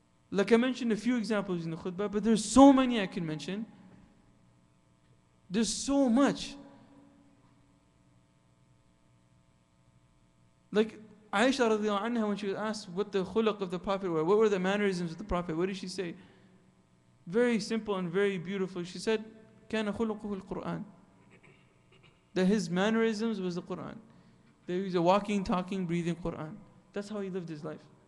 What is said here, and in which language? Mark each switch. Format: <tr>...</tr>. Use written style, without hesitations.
<en>Like I mentioned a few examples in the khutbah, but there's so many I can mention. There's so much. Like Aisha radiallahu anha, when she was asked what the khulaq of the Prophet were, what were the mannerisms of the Prophet, what did she say? Very simple and very beautiful. She said,</en> <ar>كان خلقه القرآن.</ar> <en>That his mannerisms was the Quran. There he's a walking, talking, breathing Quran. That's how he lived his life.</en>